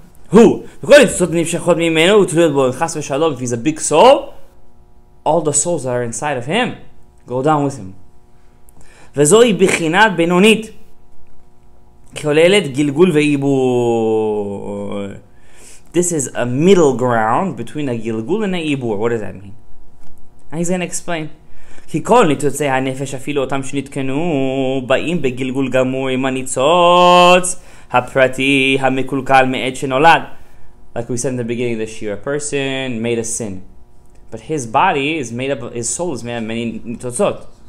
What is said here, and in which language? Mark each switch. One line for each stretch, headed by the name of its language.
English: Who? If he's a big soul, all the souls that are inside of him go down with him.
Hebrew: וזוהי בחינת בינונית כוללת גלגול ואיבור.
English: This is a middle ground between a גלגול and a איבור. What does that mean? And he's going to explain.
Hebrew: כי כל ניצוצי הנפש אפילו אותם שנתקנו באים בגלגול גמור עם הניצוץ הפרטי המקולקל מעט שנולד.
English: Like we said in the beginning of this year, a person made a sin. But his body is made up of, his soul is made up of many ניצוצות.